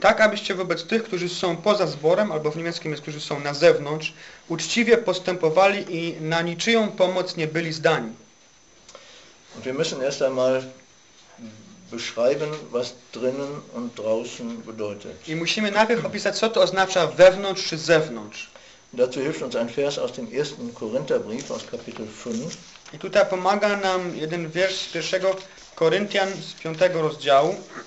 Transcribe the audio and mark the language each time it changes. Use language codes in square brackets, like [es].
[pl] Tak, abyście wobec tych, którzy są poza zborem, albo w niemieckim jest, którzy są na zewnątrz, uczciwie postępowali i na niczyją pomoc nie byli zdani. [de] Und wir müssen erst einmal beschreiben, was drinnen und draußen bedeutet. [pl] I musimy najpierw opisać, co to oznacza wewnątrz czy zewnątrz. [de] Dazu hilft uns ein Vers aus dem 1. Korintherbrief aus Kapitel 5. [pl] I tutaj pomaga nam jeden wiersz z 1. Koryntian z 5 rozdziału.